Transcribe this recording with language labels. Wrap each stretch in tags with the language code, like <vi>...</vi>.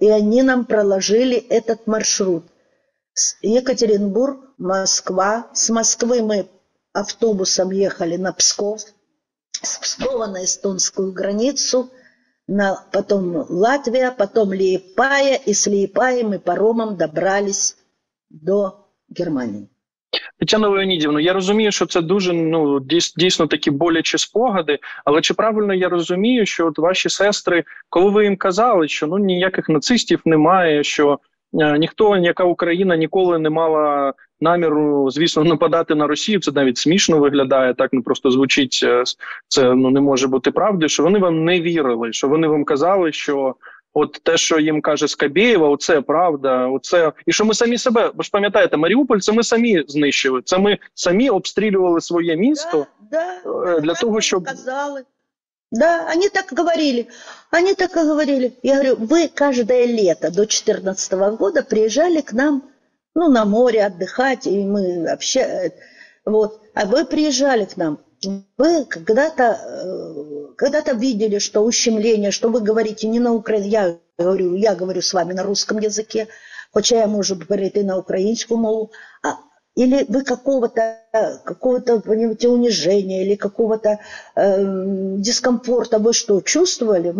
<ru>И они нам проложили этот маршрут. Екатеринбург, Москва. С Москвы мы автобусом ехали на Псков. С Пскова на эстонскую границу. Потом Латвия, потом Лиепая. И с Лиепая мы паромом добрались до Германии.</ru> <uk>Тетяна Леонідівна, я розумію, що це дуже, ну, дійсно такі болячі спогади, але чи правильно я розумію, що от ваші сестри, коли ви їм казали, що ну ніяких нацистів немає, що ніхто, ніяка Україна ніколи не мала наміру, звісно, нападати на Росію, це навіть смішно виглядає, так, ну, просто звучить, це ну, не може бути правдою, що вони вам не вірили, що вони вам казали, що... От те, що їм каже Скабєєва, оце правда, оце... І що ми самі себе, бо ж пам'ятаєте, Маріуполь, це ми самі знищили, це ми самі обстрілювали своє місто для того, щоб... Казали. Да, вони так говорили, вони так і говорили. Я говорю, ви кожне літо до 14-го року приїжджали к нам, ну, на море віддихати, і ми взагалі... Вот. А ви приїжджали к нам, ви когда-то...</uk> <ru>Когда-то видели, что ущемление, что вы говорите не на украинском, я говорю с вами на русском языке, хотя я могу говорить и на украинском мову, а, или вы какого-то понимаете, унижения, или какого-то дискомфорта вы что, чувствовали?</ru>